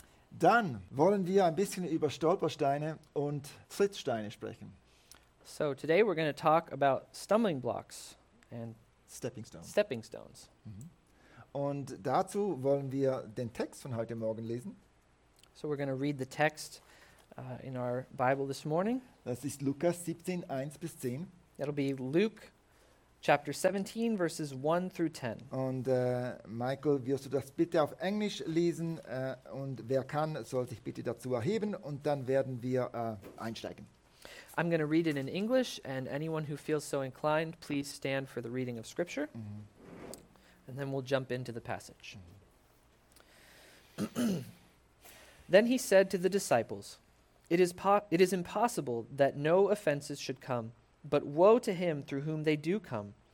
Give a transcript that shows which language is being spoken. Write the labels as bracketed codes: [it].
[de] Dann wollen wir ein bisschen über Stolpersteine und Trittsteine sprechen. [en] So today we're going to talk about stumbling blocks and stepping stones. [de] Und dazu wollen wir den Text von heute Morgen lesen. [en] So we're going to read the text in our Bible this morning. [de] Das ist Lukas 17, 1 bis 10. [en] That'll be Luke chapter 17, verses 1 through 10. [de] Und Michael, wirst du das bitte auf Englisch lesen? Und wer kann, soll sich bitte dazu erheben. Und dann werden wir einsteigen. [en] I'm going to read it in English, and anyone who feels so inclined, please stand for the reading of Scripture. And then we'll jump into the passage. Then he said to the disciples, It is impossible that no offenses should come, but woe to him through whom they do come.